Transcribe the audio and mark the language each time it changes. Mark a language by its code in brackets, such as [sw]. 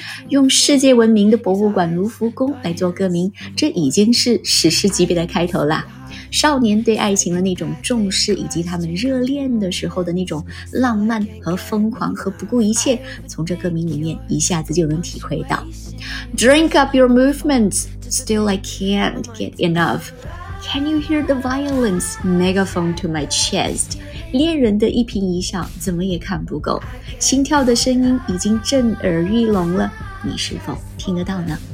[zh] 用世界闻名的博物馆卢浮宫来做歌名，这已经是史诗级别的开头了。少年对爱情的那种重视，以及他们热恋的时候的那种浪漫和疯狂和不顾一切，从这歌名里面一下子就能体会到。 [en] Drink up your movements, still I can't get enough. Can you hear the violins, megaphone to my chest? [zh] 恋人的一颦一笑怎么也看不够，心跳的声音已经震耳欲聋了，你是否听得到呢？